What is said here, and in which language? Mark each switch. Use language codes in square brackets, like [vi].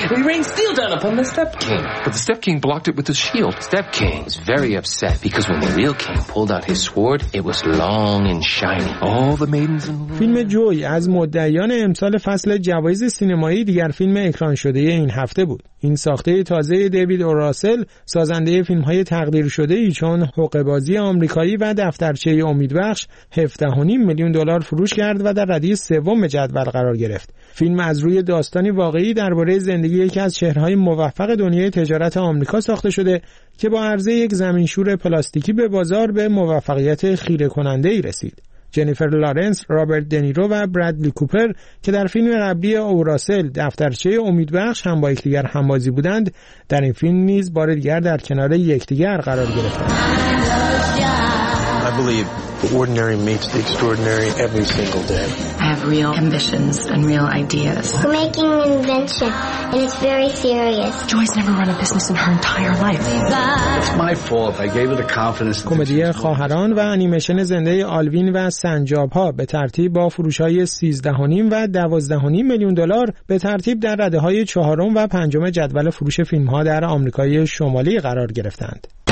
[en] We rained steel down upon the Step King. But the Step King blocked it with his shield. Step King was very upset because when the real king pulled out his sword, it was long and shiny. All the maidens in the room. [fa] فیلم جوی از مدعیان امسال فصل جوایز سینمایی دیگر فیلم اکران شده این هفته بود. این ساخته تازه دیوید اوراسل، سازنده فیلم‌های تقدیر شده ای چون حقه‌بازی آمریکایی و دفترچه امیدبخش، 17.5 میلیون دلار فروش کرد و در رده سوم جدول قرار گرفت. فیلم از روی داستانی واقعی درباره زندگی یکی از چهره‌های موفق دنیای تجارت آمریکا ساخته شده که با عرضه یک زمینشور پلاستیکی به بازار به موفقیت خیره‌کننده‌ای رسید. جنیفر لارنس، رابرت دنیرو و برادلی کوپر که در فیلم قبلی اوراسل دفترچه امیدبخش هم با یکدیگر همبازی بودند، در این فیلم نیز بار دیگر در کنار یکدیگر قرار گرفتند. [en] Ordinary meets the extraordinary every single day. I have real ambitions and real ideas. We're making an invention, and it's very serious. Joy's never run a business in her entire life. It's my fault. I gave her the confidence. [fa] کمدی خواهران و انیمیشن زنده آلوین و سنجاب ها به ترتیب با فروش های 13.5 و 12.5 میلیون دلار به ترتیب در رده های 4 و 5 جدول فروش فیلم ها در آمریکای شمالی قرار گرفتند.